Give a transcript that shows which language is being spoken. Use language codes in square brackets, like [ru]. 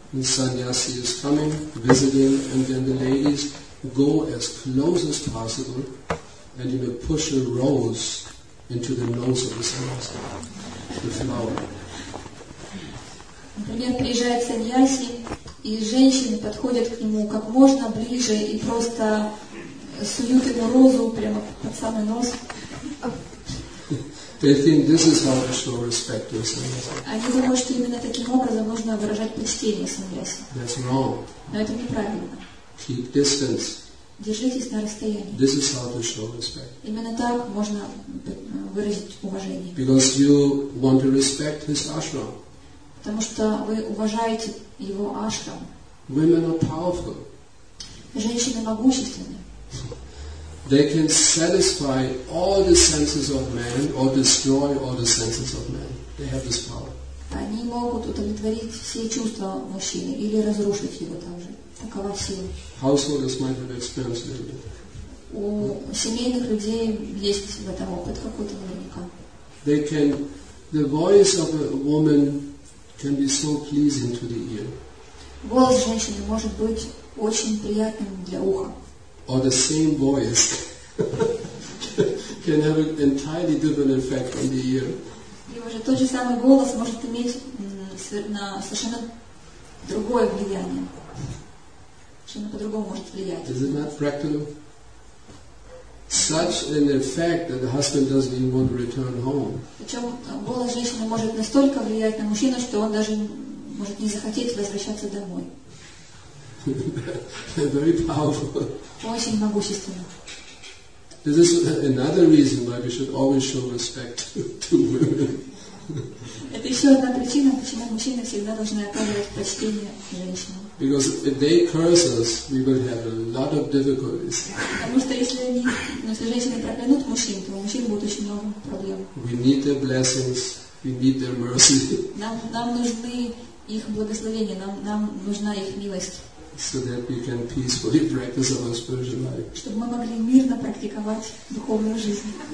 [en] And sannyasi is coming, visiting, and then the ladies go as close as possible and you know, push a rose into the nose of the sannyasi, the flower. [ru] Например, приезжает саньяси, и женщины подходят к нему как можно ближе и просто суют ему розу прямо под самый нос. [en] They think this is how to show respect to a sannyasi. [ru] Они думают, что именно таким образом нужно выражать почтение саньяси. [en] That's wrong. [ru] Но это неправильно. [en] Keep distance. [ru] Держитесь на расстоянии. [en] This is how to show respect. [ru] Именно так можно выразить уважение. [en] Because you want to respect his ashram. [ru] Потому что вы уважаете его ашрам. [en] Women are powerful. [ru] Женщины могущественны. [en] They can satisfy all the senses of man or destroy all the senses of man. They have this power. [ru] Они могут удовлетворить все чувства мужчины или разрушить его также. Такова сила. [en] Householders might have experienced it. [ru] У семейных людей есть в этом опыт какой-то наверняка. [en] They can, the voice of a woman can be so pleasing to the ear. [ru] Голос женщины может быть очень приятным для уха. [en] Or the same voice can have an entirely different effect on the ear. [ru] И уже тот же самый голос может иметь на совершенно другое влияние. Совершенно по-другому может влиять. [en] Is it not practical? Such an effect that the husband doesn't even want to return home. [ru] Причем голос женщины может настолько влиять на мужчину, что он даже может не захотеть возвращаться домой. [en] Very powerful. [ru] Очень могущественно. [en] This is another reason why we should always show respect to women. [ru] Это еще одна причина, почему мужчины всегда должны оказывать почтение женщинам. [en] Because if they curse us, we will have a lot of difficulties. [ru] Потому что если женщины проклянут мужчин, то у мужчин будет очень много проблем. [en] We need their blessings. We need their mercy. [ru] Нам нужны их благословения. Нам нужна их милость. [en] So that we can peacefully practice our spiritual life. [ru] Чтобы мы могли мирно практиковать духовную жизнь.